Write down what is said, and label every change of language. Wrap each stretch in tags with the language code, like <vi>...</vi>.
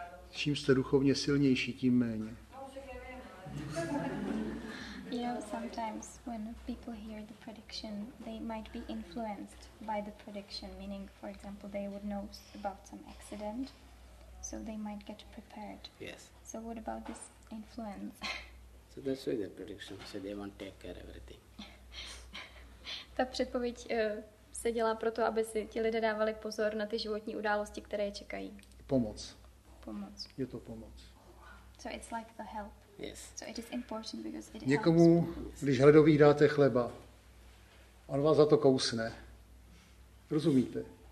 <cs>Čím jste duchovně silnější, tím méně.</cs> <en>You know, sometimes when people hear the prediction, they might be influenced by the prediction, meaning, for example, they would know about some accident, so they might get prepared. Yes. So what about this influence? So that's why the prediction, so they won't take care of everything.</en> <cs>Ta předpověď se dělá proto, aby si ti lidé dávali pozor na ty životní události, které je čekají. Pomoc. Pomoc. Je to pomoc.</cs> <en>So it's like the help. Yes. So it is important because it</en> <cs>Někomu,</cs> <en>helps.</en> <cs>Když hledový dáte chleba, on vás za to kousne. Rozumíte?</cs>